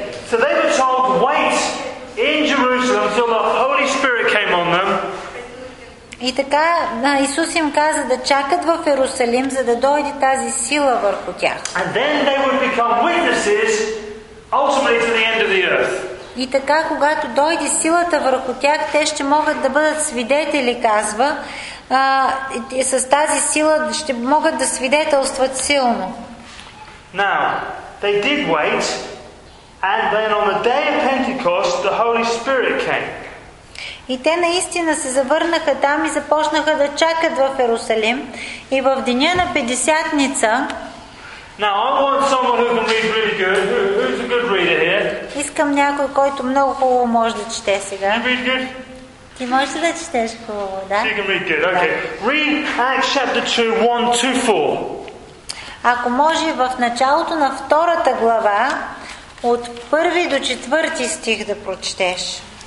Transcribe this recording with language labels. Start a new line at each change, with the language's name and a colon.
English: So they were told to wait in Jerusalem until the Holy Spirit came on them.
Bulgarian: И така Исус им каза да чакат в Йерусалим, за да дойде тази сила върху тях.
English: And then they would become witnesses ultimately to the end of the earth.
Bulgarian: И така, когато дойде силата върху тях, те ще могат да бъдат свидетели, казва, и с тази сила ще могат да свидетелстват силно.
English: Now, they did wait, and then on the day of Pentecost, the Holy Spirit came.
Bulgarian: И те наистина се завърнаха там и започнаха да чакат в Йерусалим. И в деня на Петдесетница...
English: Now, I want someone who can read really good. Who's a good reader here?
Bulgarian: Искам някой, който много хубаво може да чете сега.
English: You read good?
Bulgarian: Ти можеш да четеш хубаво, да?
English: You can read good, okay. Read Acts chapter 2, 1, 2, 4.
Bulgarian: Ако може, в началото на втората глава, от първи до четвърти стих да прочетеш.